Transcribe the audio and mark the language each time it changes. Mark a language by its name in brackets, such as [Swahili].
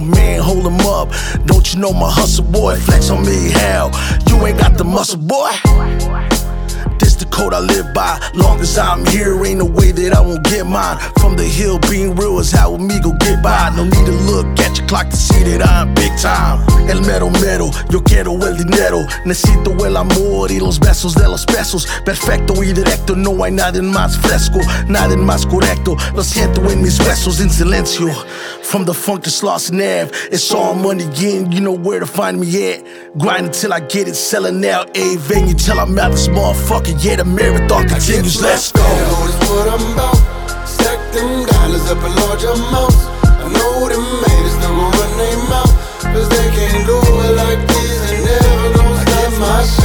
[English] Man, hold him up, don't you know my hustle boy? Flex on me, hell, you ain't got the muscle boy. This the code I live by. Long as I'm here, ain't no way that I won't get mine. From the hill, being real is how me go get by. No need to look at your clock to see that I'm big time. [Spanish] El mero mero, yo quiero el dinero. Necesito el amor y los besos de los pesos. Perfecto y directo, no hay nada más fresco, nada más correcto. Lo siento en mis huesos, en silencio. [English] From the funk to Sloss and Ave, it's all money again, you know where to find me at. Grinding till I get it, selling out a venue till I'm out this motherfucker. Yeah, the marathon continues, let's go. I know that's what I'm about. Stack them dollars up in large amounts. I know them haters don't gon' run they mouth, cause they can't do it like this and never gon' stop my shit.